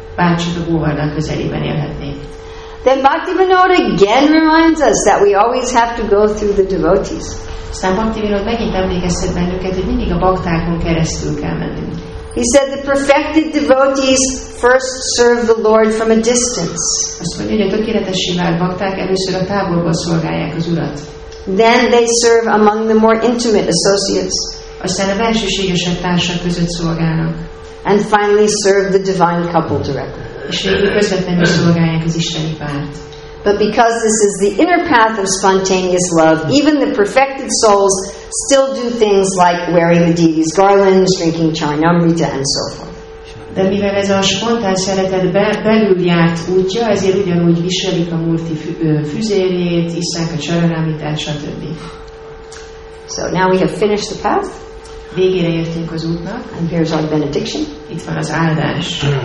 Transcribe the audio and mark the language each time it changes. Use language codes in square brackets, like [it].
[hu] Bácsuk a Govardhan közelében élhetnék. [en] Then Bhaktivinoda again reminds us that we always have to go through the devotees. [hu] Aztán Bhaktivinoda megint emlékeztet bennünket, hogy mindig a baktákon keresztül kell mennünk. [en] He said the perfected devotees first serve the Lord from a distance. [hu] Azt mondja, hogy a tökéletessé vált bakták először a távolból szolgálják az Urat. [en] Then they serve among the more intimate associates. [hu] Aztán a bensőségesebb társak között szolgálnak. [en] And finally serve the divine couple directly. [hu] És végül közvetlenül szolgálják az isteni párt. [en] But because this is the inner path of spontaneous love, even the perfected souls still do things like wearing the deity's garlands, drinking charanamrita, and so forth. [hu] De mivel ez a spontán szeretet belül járt útja, ezért ugyanúgy viselik a murti füzérjét, iszák a charanamritát, stb. [en] So now we have finished the path. [hu] Végére értünk az útnak. [en] And here's our benediction. [hu] Itt van az áldás.